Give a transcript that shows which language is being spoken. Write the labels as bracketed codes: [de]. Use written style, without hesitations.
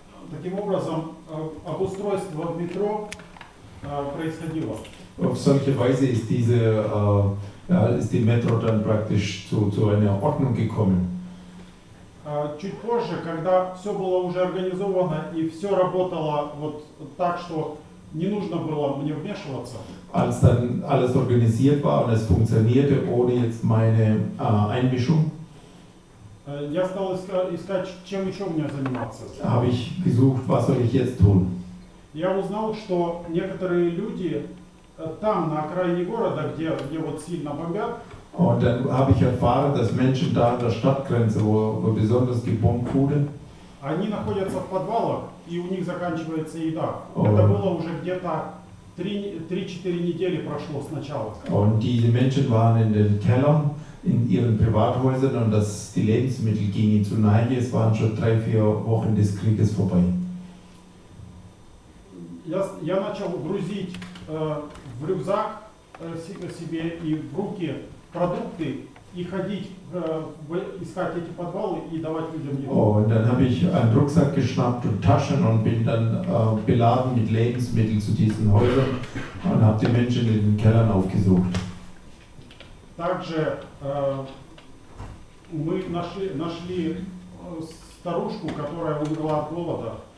[ru] Таким образом обустройство в метро происходило. [de] Auf solche Weise ist die Metro dann praktisch zu einer Ordnung gekommen. [ru] Чуть позже, когда все было уже организовано и все работало вот так, что не нужно было мне вмешиваться. [de] Als dann alles organisiert war und es funktionierte ohne jetzt meine Einmischung. [ru] Я стал искать, чем еще мне заниматься. [de] Habe ich gesucht, was soll ich jetzt tun? [ru] Я узнал, что некоторые люди там, на окраине города, где вот сильно бомбят. [de] Und dann habe ich erfahren, dass Menschen da an der Stadtgrenze, wo besonders gebombt wurde, [ru] они находятся в подвалах, и у них заканчивается еда. Это было уже где-то 3-4 недели прошло сначала. [de] Und diese Menschen waren in den Kellern, in ihren Privathäusern, und dass die Lebensmittel gingen zu Neige, es waren schon 3-4 Wochen des Krieges vorbei. [ru] Я начал грузить в рюкзак себе и в руки продукты и ходить искать эти подвалы и давать людям еду. [de] Oh, und dann habe ich einen Rucksack geschnappt und Taschen und bin dann beladen mit Lebensmitteln zu diesen Häusern und habe die Menschen in den Kellern aufgesucht. [ru] Также мы нашли старушку, которая умерла от голода.